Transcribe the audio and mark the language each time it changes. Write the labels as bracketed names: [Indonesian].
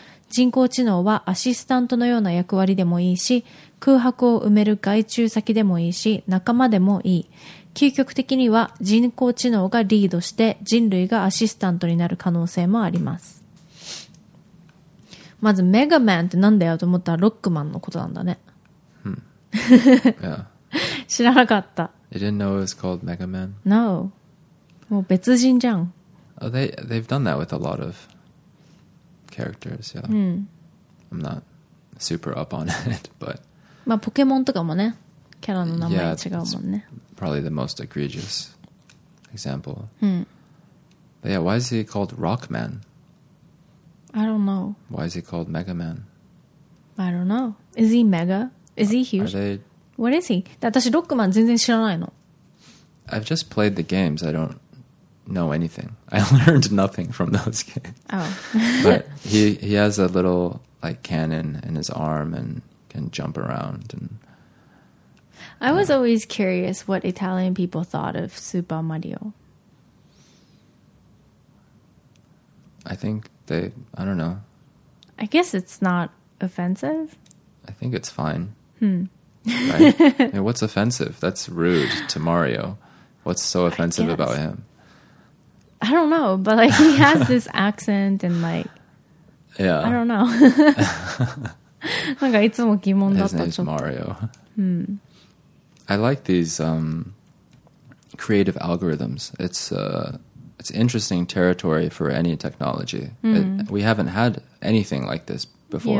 [Japanese] 人工知能はアシスタントのような役割でもいいし、空白を埋める外注先でもいいし、仲間でもいい。究極的には人工知能がリードして人類がアシスタントになる可能性もあります。まずメガマンってなんだよと思ったらロックマンのことなんだね。知らなかった。 [English] I didn't know it was called Mega Man. No. [Japanese] もう別人じゃん。 [English] Oh, they've done that with a lot of characters, yeah. I'm not super up on it, but... [Japanese] まあポケモンとかもね、キャラの名前違うもんね。 [English] Yeah, probably the most egregious example. But yeah, why is he called Rockman? I don't know. Why is he called Mega Man? I don't know. Is he mega? Is he huge? What is he? [Japanese] 私ロックマン全然知らないの。 [English] I've just played the games. I don't know anything. I learned nothing from those games. Oh. But he has a little like cannon in his arm and can jump around. And I was always curious what Italian people thought of Super Mario. I think they... I don't know. I guess it's not offensive. I think it's fine. Hmm. Right? I mean, what's offensive? That's rude to Mario. What's so offensive about him? I don't know, but like he has this accent and like, yeah, I don't know. [Japanese] なんかいつも疑問だったちょっと。 [English] His name's Mario. Hmm. I like these creative algorithms. It's interesting territory for any technology. Mm. We haven't had anything like this before.